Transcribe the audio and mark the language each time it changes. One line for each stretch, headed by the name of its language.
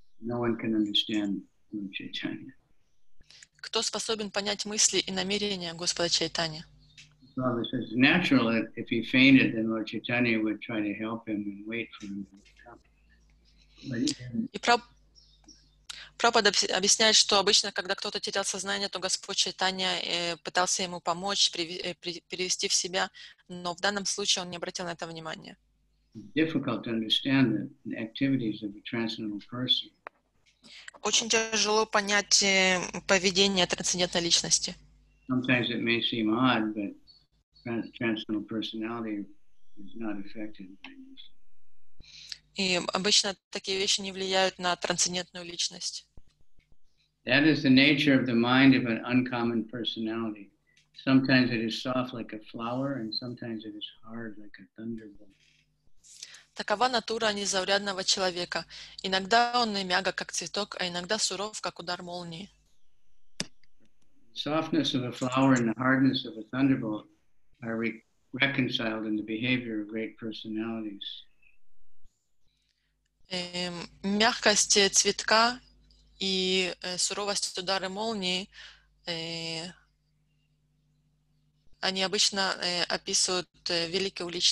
English: No one can understand Lord Chaitanya.
Russian: Кто способен понять мысли и намерения Господа Чайтанья?
English: So this is natural that if he fainted, then Lord Chaitanya would try to help him and wait for him to come.
Russian: Прабхупада объясняет, что обычно, когда кто-то терял сознание, то Господь Чайтанья пытался ему помочь, перевести в себя, но в данном случае он не обратил на это внимания.
English: Difficult to understand the activities of a transcendental person.
Russian: Очень тяжело понять поведение трансцендентной личности.
English: Sometimes it may seem odd, but transcendental personality is not affected by this.
Russian: И обычно такие вещи не влияют на трансцендентную личность.
English: That is the nature of the mind of an uncommon personality. Sometimes it is soft like a flower, and sometimes it is hard like a thunderbolt.
Russian: Такова натура незаурядного человека. Иногда он мягок, как цветок, а иногда суров, как удар молнии.
English: Softness of a flower and the hardness of a thunderbolt are reconciled in the behavior of great personalities.
Russian: Мягкость цветка и суровость удары молнии, они обычно описывают великую